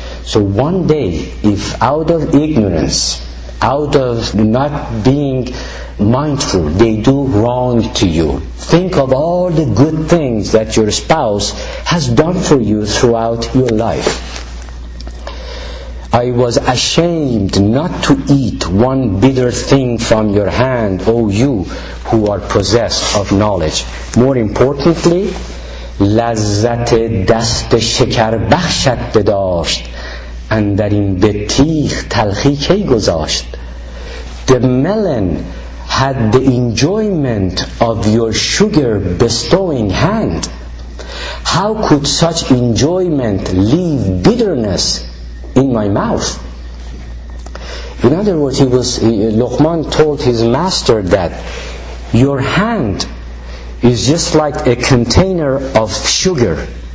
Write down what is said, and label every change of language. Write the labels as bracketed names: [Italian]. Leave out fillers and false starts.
[English] So one day, if out of ignorance, out of not being mindful, they do wrong to you, think of all the good things that your spouse has done for you throughout your life. I was ashamed not to eat one bitter thing from your hand, O you who are possessed of knowledge. More importantly, [Persian] لذت دست شکر بخشت داشت اندرین به تیخ تلخی که گذاشت. [English] The melon had the enjoyment of your sugar bestowing hand. How could such enjoyment leave bitterness in my mouth? In other words, Luqman told his master that your hand is just like a container of sugar.